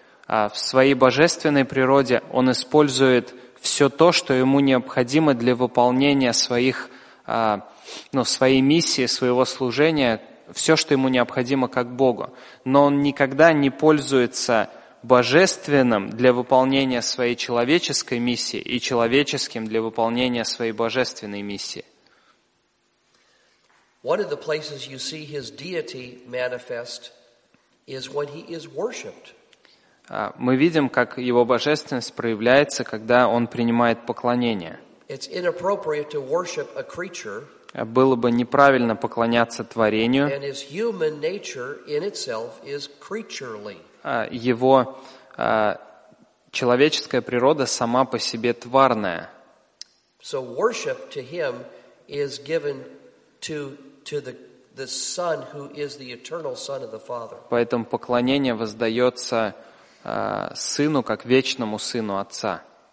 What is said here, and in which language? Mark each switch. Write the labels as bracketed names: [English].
[Russian] В своей божественной природе он использует все то, что ему необходимо для выполнения своих, ну, своей миссии, своего служения, все, что ему необходимо как Богу. Но он никогда не пользуется божественным для выполнения своей человеческой миссии и человеческим для выполнения своей божественной миссии. [English] One of the places you see his deity manifest is when he is worshipped. [Russian] Мы видим, как его божественность проявляется, когда он принимает поклонение. [English] It's inappropriate to worship a creature. [Russian] Было бы неправильно поклоняться творению. [English] And his human nature in itself is creaturely. [Russian] Его человеческая природа сама по себе тварная. [English] So worship to him is given to the Son who is the eternal Son of the Father. [Russian] Поэтому поклонение воздается Сыну, как вечному Сыну Отца.